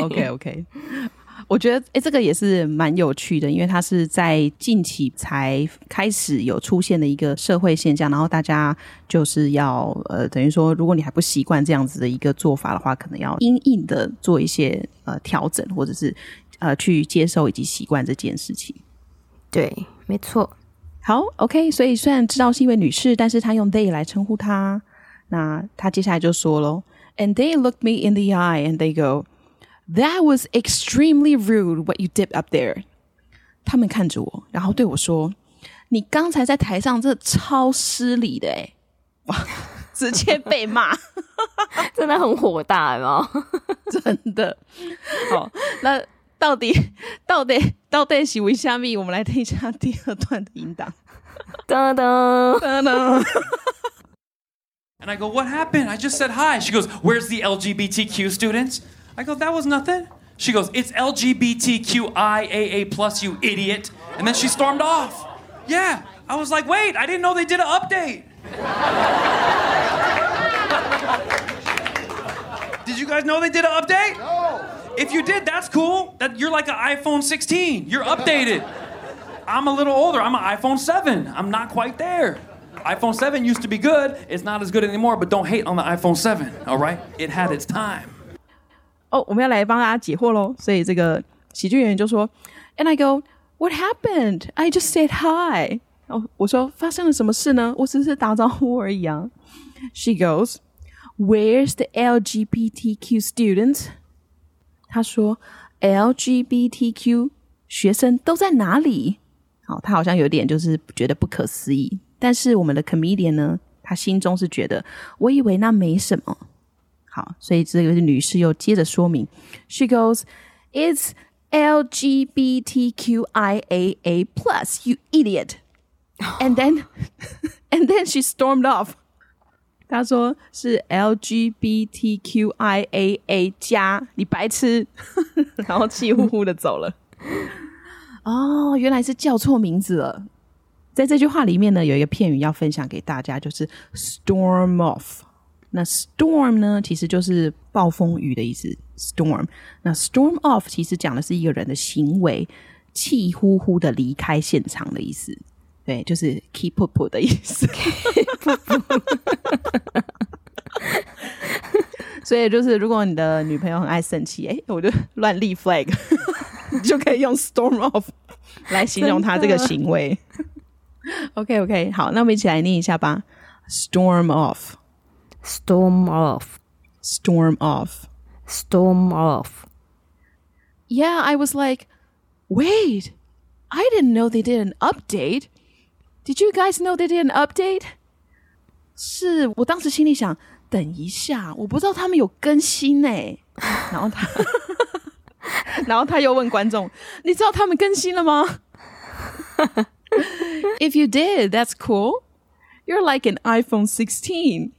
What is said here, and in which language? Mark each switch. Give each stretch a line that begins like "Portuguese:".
Chinese: OK OK 我觉得、欸、这个也是蛮有趣的，因为它是在近期才开始有出现的一个社会现象，然后大家就是要等于说如果你还不习惯这样子的一个做法的话，可能要因应的做一些调整，或者是去接受以及习惯这件事情。对，没错。好 OK， 所以虽然知道是一位女士，但是她用 they 来称呼她，那她接下来就说咯，
English: And they looked me in the eye and they goThat was extremely rude what you did up there.
Chinese: 他们看着我，然后对我说，你刚才在台上真的超失礼的耶。哇，直接被骂。真的很火大吗？真的。好，那到底是为什么？我们来听一下第二段的音档。噔噔噔噔。
English: And I go, what happened? I just said hi. She goes, where's the LGBTQ students? I go, that was nothing. She goes, it's LGBTQIAA plus, you idiot. And then she stormed off. Yeah. I was like, wait, I didn't know they did an update. Did you guys know they did an update? No. If you did, that's cool. That you're like an iPhone 16. You're updated. I'm a little older. I'm an iPhone 7. I'm not quite there. iPhone 7 used to be good. It's not as good anymore, but don't hate on the iPhone 7. All right? It had its time.
Chinese: 哦、oh, 我们要来帮大家解惑咯。所以这个喜剧演员就说
English: And I go, what happened? I just said hi.、
Chinese: Oh, 我说发生了什么事呢？我只是打招呼而已啊。
English: She goes, where's the LGBTQ student?
Chinese: 她说 LGBTQ 学生都在哪里？好，她好像有点就是觉得不可思议。但是我们的 comedian 呢，她心中是觉得我以为那没什么。好，所以这个女士又接着说明
English: She goes, It's LGBTQIAA plus, you idiot. And then she stormed off.
Chinese: 她说是 LGBTQIAA 加你白痴然后气呼呼的走了。哦，原来是叫错名字了。在这句话里面呢，有一个片语要分享给大家，就是 storm off。那 storm 呢，其实就是暴风雨的意思 storm。那 storm off 其实讲的是一个人的行为气呼呼的离开现场的意思，对，就是 keep up 的意思所以就是如果你的女朋友很爱生气，哎，我就乱立 flag 就可以用 storm off 来形容她这个行为OK OK， 好，那我们一起来念一下吧。
English: storm off Storm off. Storm off. Storm off. Yeah, I was like, wait, I didn't know they did an update. Did you guys know they did an update?
Chinese: 是，我当时心里想，等一下，我不知道他们有更新耶。然后他又问观众，你知道他们更新了吗？
English: If you did, that's cool. You're like an iPhone 16.